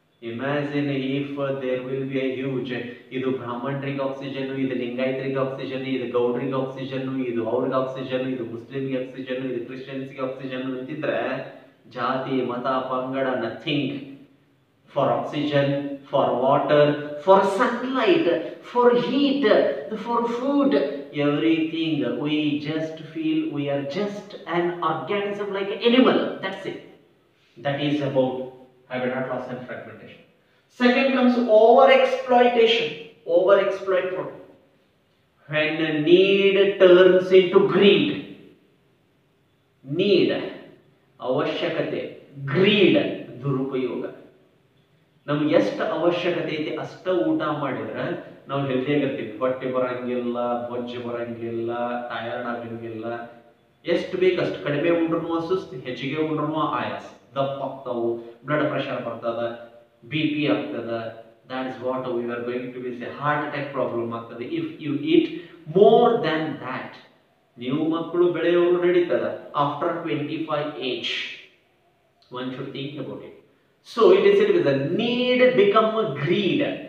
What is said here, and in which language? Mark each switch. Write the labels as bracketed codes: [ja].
[en] imagine if there will be a huge, [kn] ಇದು ಬ್ರಾಹ್ಮಣರಿಗೆ oxygen, ಇದು ಲಿಂಗಾಯತ್ರಿಗೆ ಆಕ್ಸಿಜನ್, ಇದು ಗೌಡ್ರಿಗೆ ಆಕ್ಸಿಜನ್, ಇದು ಅವ್ರಿಗೆ ಆಕ್ಸಿಜನ್, ಇದು ಮುಸ್ಲಿಮ್ಗೆ ಆಕ್ಸಿಜನ್, ಇದು ಕ್ರಿಶ್ಚಿಯನ್ಸ್ಗೆ ಆಕ್ಸಿಜನ್ ಅಂತಿದ್ರೆ ಜಾತಿ ಮತ ಪಂಗಡ nothing. [en] For oxygen, for water, for sunlight, for heat, for food, everything, we just feel we are just an organism like an animal. That's it. That is about habitat loss and fragmentation. Second comes over-exploitation. Over-exploitation. When need turns into greed. Need. Avashyakate. Greed. Durupayoga. [kn] ನಮ್ಗೆ ಎಷ್ಟು ಅವಶ್ಯಕತೆ ಐತಿ ಅಷ್ಟ ಊಟ ಮಾಡಿದ್ರೆ ನಾವು ಹೆಲ್ದಿಯಾಗಿರ್ತೀವಿ. ಹೊಟ್ಟೆ ಬರಂಗಿಲ್ಲ, ಬೊಜ್ಜು ಬರಂಗಿಲ್ಲ, ಟಯರ್ಡ್ ಆಗಿರಂಗಿಲ್ಲ. ಎಷ್ಟು ಬೇಕಷ್ಟು ಕಡಿಮೆ ಉಂಡ್ರೂ ಸುಸ್ತಿ, ಹೆಚ್ಚಿಗೆ ಉಂಡ್ರೂ ಆಯಾಸ, ದಪ್ಪ ಆಗ್ತಾವು, ಬ್ಲಡ್ ಪ್ರೆಷರ್ ಬರ್ತದ, ಬಿ ಪಿ ಆಗ್ತದ. [en] That is what you are going to be say, heart attack problem ಆಗ್ತದೆ if you eat more than that. [kn] ನೀವು ಮಕ್ಕಳು ಬೆಳೆಯೋರು ನಡೀತದ [en] After 25 age. One should think about it. So it is said that need become greed.